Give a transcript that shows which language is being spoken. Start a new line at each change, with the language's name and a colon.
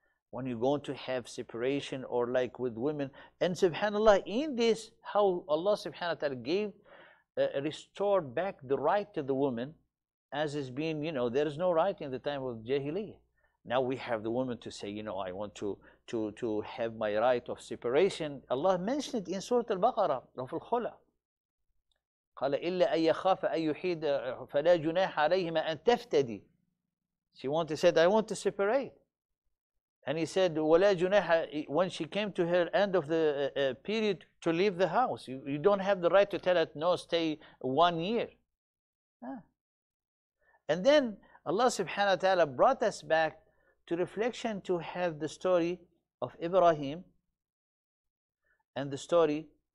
English: When you're going to have separation or like with women, and subhanAllah, in this, how Allah subhanahu wa ta'ala gave, restored back the right to the woman, as is being, there is no right in the time of Jahiliyyah. Now we have the woman to say, I want to have my right of separation. Allah mentioned it in Surah Al-Baqarah, of Al-Khula.
Arabic: قال إلا أن يخاف أن يحيد فلا جناح عليهما أن تفتدي.
English: She wanted, said, I want to separate. And he said,
Arabic: ولا جناح,
English: when she came to her end of the period to leave the house. You don't have the right to tell her, no, stay 1 year. And then Allah subhanahu wa ta'ala brought us back to reflection to have the story of Ibrahim and the story.